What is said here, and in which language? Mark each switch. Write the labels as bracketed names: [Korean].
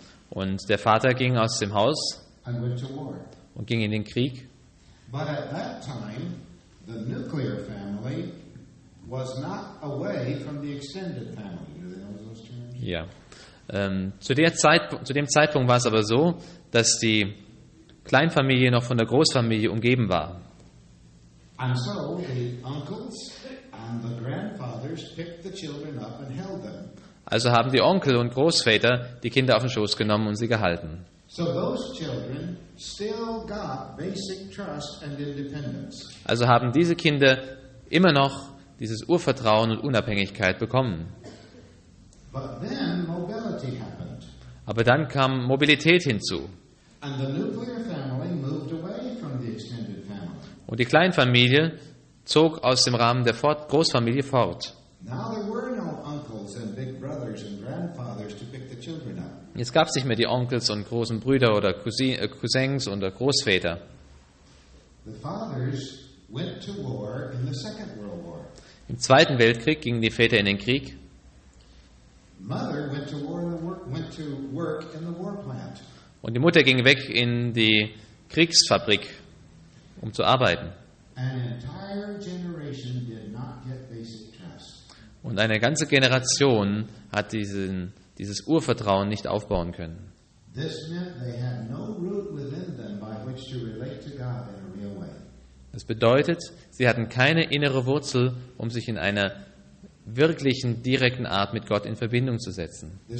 [German] Und der Vater ging aus dem Haus und ging in den Krieg. [English] But at that time, the nuclear family was not away from the extended family. Do they know those terms? [German] Ja. Zu dem Zeitpunkt war es aber so, dass die Kleinfamilie noch von der Großfamilie umgeben war. [English] And so the uncles and the grandfathers picked the children up and held them. [German] Also haben die Onkel und Großväter die Kinder auf den Schoß genommen und sie gehalten. [English] So those children still got basic trust and independence. [German] Also haben diese Kinder immer noch dieses Urvertrauen und Unabhängigkeit bekommen. [English] But then mobility happened. [German] Aber dann kam Mobilität hinzu. [English] And the nuclear family moved away from the extended family. [German] Und die Kleinfamilie zog aus dem Rahmen der Großfamilie fort. [English] Now there were no uncles and big brothers and grandfathers to pick the children up. [German] Jetzt gab es nicht mehr die Onkels und großen Brüder oder Cousins oder Großväter. [English] The fathers went to war in the Second World War. [German] Im Zweiten Weltkrieg gingen die Väter in den Krieg. [English] Mother went to war in the war, went to work in the war plant. [German] Und die Mutter ging weg in die Kriegsfabrik, um zu arbeiten. [English] An entire generation did not get basic trust. [German] Und eine ganze Generation hat dieses Urvertrauen nicht aufbauen können. Das bedeutet, sie hatten keine innere Wurzel, um sich in einer wirklichen, direkten Art mit Gott in Verbindung zu setzen.